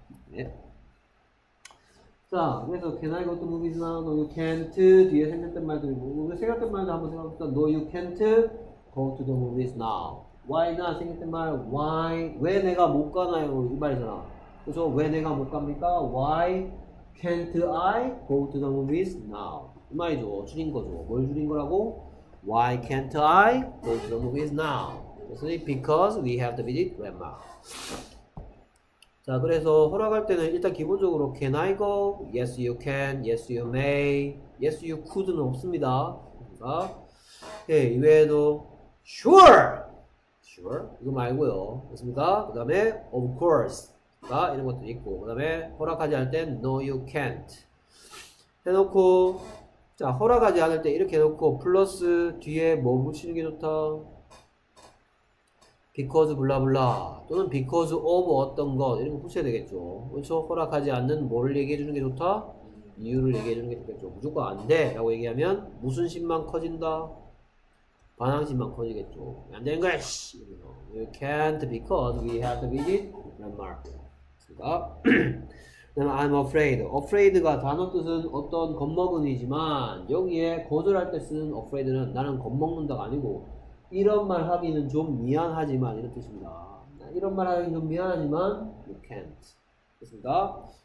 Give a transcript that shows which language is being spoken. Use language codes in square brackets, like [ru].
[ko] 네. 자, 그래서 [en] can I go to movies now? No, you can't. [ko] 뒤에 생겼던 말들이 뭐고 생겼던 말도 한번 생각해보니까 [en] No, you can't go to the movies now. Why not? [ko] 생겼던 말 why? 왜 내가 못 가나요? 이 말이잖아. 그래서 왜 내가 못 갑니까? [en] Why can't I go to the movies now? [ko] 이 말이죠. 줄인 거죠. 뭘 줄인 거라고? [en] Why can't I go to the movies now? Because we have to visit grandma. [ko] 자, 그래서 허락할 때는 일단 기본적으로 [en] Can I go? Yes, you can. Yes, you may. Yes, you could [ko] 는 없습니다. 그러니까, 예, 이외에도 Sure! Sure? 이거 말고요. 그렇습니까? 그 다음에 Of course. 이런 것도 있고. 그 다음에 허락하지 않을 땐 [en] No, you can't. [ko] 해놓고 자, 허락하지 않을 때 이렇게 놓고 플러스 뒤에 뭐 붙이는 게 좋다? because 블라블라 또는 because of 어떤 것 이런 거 붙여야 되겠죠. 그렇죠? 허락하지 않는 뭐를 얘기해 주는 게 좋다? 이유를 얘기해 주는 게 좋겠죠. 무조건 안 돼라고 얘기하면 무슨 심만 커진다? 반항심만 커지겠죠. 안 되는 거야, 씨. [en] You can't because we have to visit grandma. 그다음에 I'm afraid. [ko] afraid가 단어 뜻은 어떤 겁먹은이지만 여기에 거절할 때 쓰는 afraid는 나는 겁먹는다가 아니고 이런 말 하기는 좀 미안하지만 이런 뜻입니다. 이런 말 하기는 좀 미안하지만 [en] you can't. [ko] 그렇습니다.